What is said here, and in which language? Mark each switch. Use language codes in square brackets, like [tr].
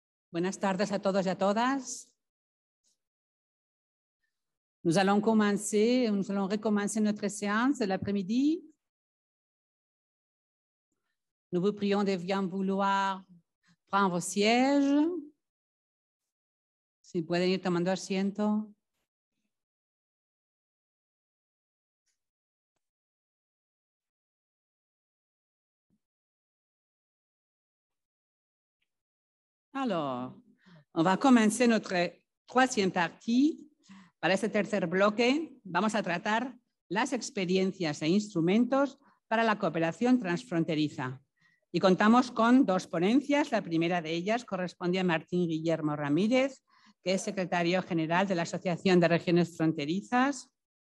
[es] Buenas tardes a todos y a todas. [fr] Nous allons commencer, nous allons recommencer notre séance de l'après-midi. Nous vous prions de bien vouloir prendre vos sièges. [es] Si [fr] vous pouvez [es] ir tomando asiento. [fr] Alors, on va commencer notre troisième partie. [es] Para este tercer bloque, vamos a tratar las experiencias e instrumentos para la cooperación transfronteriza. Y contamos con dos ponencias. La primera de ellas corresponde a Martín Guillermo Ramírez, que es secretario general de la Asociación de Regiones Fronterizas.